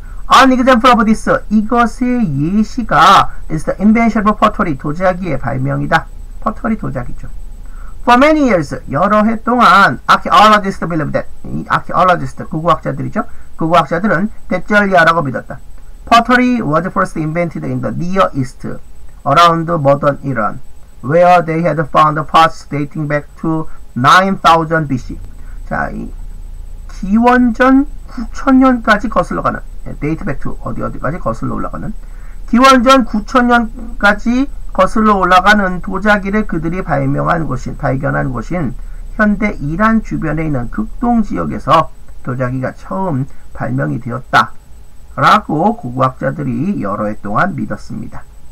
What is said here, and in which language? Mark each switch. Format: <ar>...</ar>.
<en>An example of this,</en> <ko>이것의 예시가</ko> <en>is the invention of pottery,</en> <ko>도자기의 발명이다. 포터리 도자기죠.</ko> <en>For many years,</en> <ko>여러 해 동안</ko> <en>archaeologists believed that, archaeologists,</en> <ko>고고학자들이죠. 고고학자들은 대절이야라고 믿었다.</ko> <en>Pottery was first invented in the Near East, around modern Iran, where they had found pots dating back to 9000 BC.</en> <ko>자, 이 기원전 9000년까지 거슬러 가는, 데이트 백투 어디 어디까지 거슬러 올라가는, 기원전 9000년까지 거슬러 올라가는 도자기를 그들이 발명한 곳인, 발견한 곳인 현대 이란 주변에 있는 극동 지역에서 도자기가 처음 발명이 되었다 라고 고고학자들이 여러 해 동안 믿었습니다.</ko>